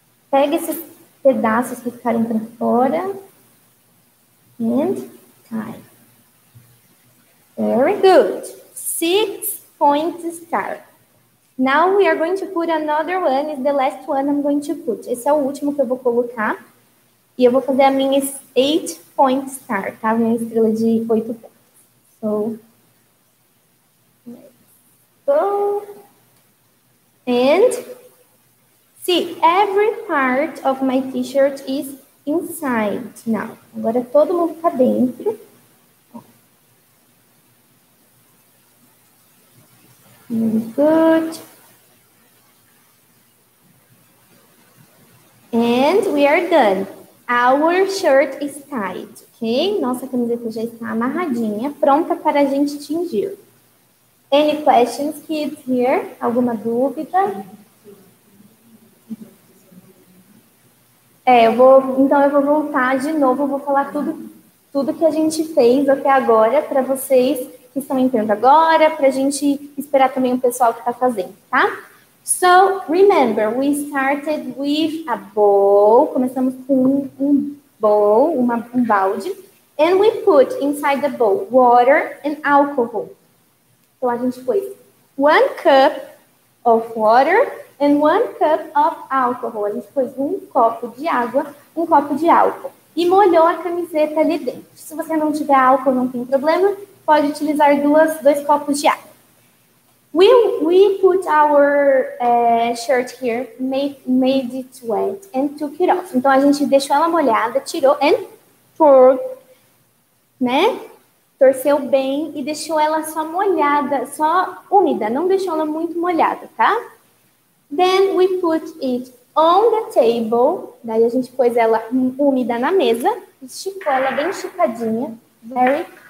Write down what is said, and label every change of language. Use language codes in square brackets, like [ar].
[pt] Pega esses pedaços que ficarem para fora. [en] And tie. Very good. 6-point star. Now we are going to put another one. It's the last one I'm going to put. [pt] Esse é o último que eu vou colocar. E eu vou fazer a minha 8-point star, tá? Minha estrela de 8 pontos. [en] So, and see, every part of my t-shirt is inside now. [pt] Agora todo mundo tá dentro. [en] Good. And we are done. Our shirt is tied, ok? [pt] Nossa camiseta já está amarradinha, pronta para a gente tingir. [en] Any questions, kids, here? [pt] Alguma dúvida? Eu vou voltar de novo, vou falar tudo que a gente fez até agora para vocês que estão entrando agora, para a gente esperar também o pessoal que está fazendo, tá? [en] So, remember, we started with a bowl, [pt] começamos com um balde, [en] and we put inside the bowl water and alcohol. [pt] Então, a gente pôs [en] 1 cup of water and 1 cup of alcohol. [pt] A gente pôs 1 copo de água, 1 copo de álcool. E molhou a camiseta ali dentro. Se você não tiver álcool, não tem problema. Pode utilizar 2 copos de água. [en] We put our shirt here, made it wet and took it off. [pt] Então, a gente deixou ela molhada, tirou [en] and tore, [pt] né? Torceu bem e deixou ela só molhada, só úmida. Não deixou ela muito molhada, tá? [en] Then we put it on the table. [pt] Daí a gente pôs ela úmida na mesa. Esticou ela bem esticadinha. Very.